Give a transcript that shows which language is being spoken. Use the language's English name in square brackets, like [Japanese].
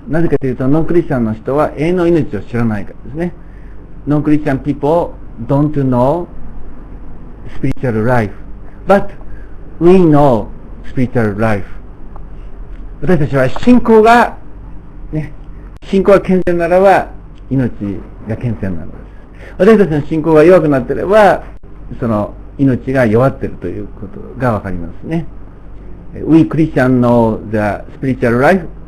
[Japanese] なぜかというと、ノンクリスチャンの人は永遠の命を知らないからですね。 [English] ノンクリスチャン people don't know spiritual life, but we know spiritual life. [Japanese] 私たちは信仰がね、信仰が健全ならば命が健全なんです。私たちの信仰が弱くなっていれば、その命が弱っているということがわかりますね。 [English] We Christian know the spiritual life.